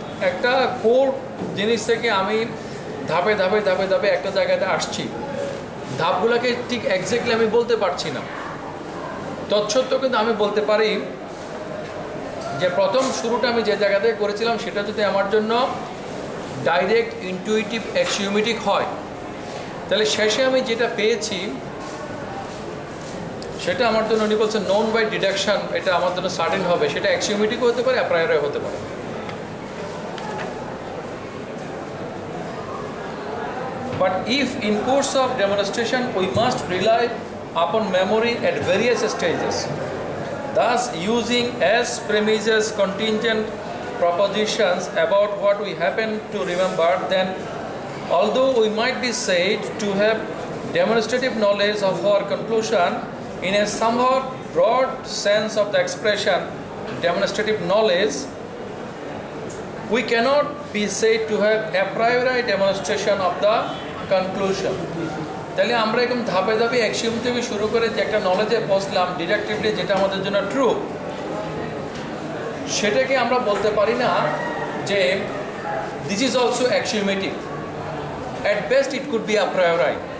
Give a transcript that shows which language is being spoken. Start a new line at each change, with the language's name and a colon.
Bangla: একটা কোর জিনিস থেকে আমি ধাপে ধাপে ধাপে ধাপে একটা জায়গাতে আসছি, ধাপগুলোকে ঠিক এক্স্যাক্টলি আমি বলতে পারছি না, তৎসত্ত্বেও কিন্তু আমি বলতে পারি যে প্রথম শুরুটা আমি যে জায়গাতে করেছিলাম সেটা যদি আমার জন্য ডাইরেক্ট ইন্টুইটিভ অ্যাক্সিওমেটিক হয়, তাহলে শেষে আমি যেটা পেয়েছি সেটা আমার জন্য, উনি বলছেন
English: non by deduction,
Bangla: এটা আমার জন্য সার্টিন হবে, সেটা অ্যাক্সিওমেটিকও হতে পারে, অ্যাপ্রায়রও হতে পারে।
English: But if in course of demonstration we must rely upon memory at various stages, thus using as premises contingent propositions about what we happen to remember, then although we might be said to have demonstrative knowledge of our conclusion, in a somewhat broad sense of the expression demonstrative knowledge, we cannot be said to have a priori demonstration of the conclusion.
Bangla: তাহলে আমরা এরকম ধাপে ধাপে axiom থেকে শুরু করে যে একটা নলেজে পৌঁছলাম ডিডাক্টিভলি, যেটা আমাদের জন্য ট্রু, সেটাকে আমরা বলতে পারি না যে
English: This is also axiomatic, at best it could be a priori.